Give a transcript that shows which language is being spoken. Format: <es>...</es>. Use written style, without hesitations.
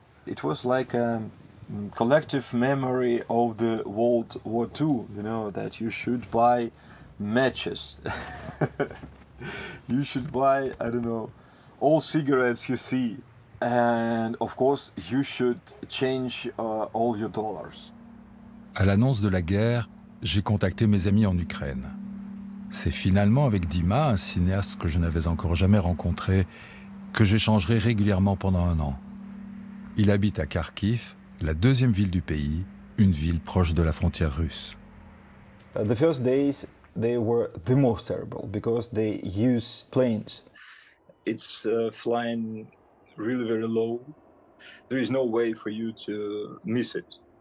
<en>It was like a collective memory of the World War II, you know, that you should buy matches. You should buy, I don't know, all cigarettes you see. And of course, you should change all your dollars.</en> <fr>À l'annonce de la guerre, j'ai contacté mes amis en Ukraine. C'est finalement avec Dima, un cinéaste que je n'avais encore jamais rencontré, que j'échangerai régulièrement pendant un an. Il habite à Kharkiv, la deuxième ville du pays, une ville proche de la frontière russe.</fr> <en>The first days, they were the most terrible because they use planes. It's flying really very low. There is no way for you to miss it.</en>